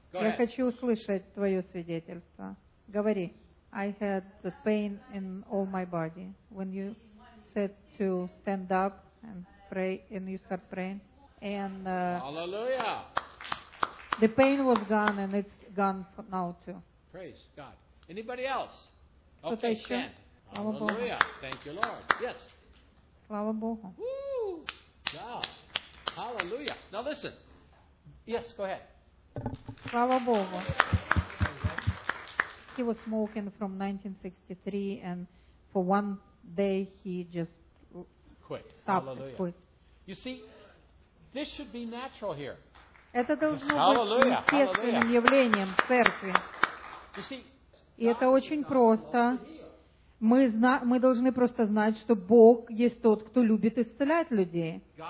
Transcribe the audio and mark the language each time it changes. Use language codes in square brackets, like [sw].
[ru] Я хочу услышать твое свидетельство. Говори. [en] I had the pain in all my body when you said to stand up and pray, and you start praying. And Hallelujah. The pain was gone, and it's gone now too. Praise God. Anybody else? Okay, stand. Hallelujah. Thank you, Lord. Yes. [ru] Слава Богу. [en] Woo! Yeah. Hallelujah. Now listen. Yes, go ahead. [ru] Слава Богу. [en] He was smoking from 1963 and for one day he just quit. Stopped. Hallelujah. Quit. You see, this should be natural here. [ru] Это должно быть естественным явлением в церкви. [en] You see, [ru] и это очень просто. Мы должны просто знать, что Бог есть тот, кто любит исцелять людей.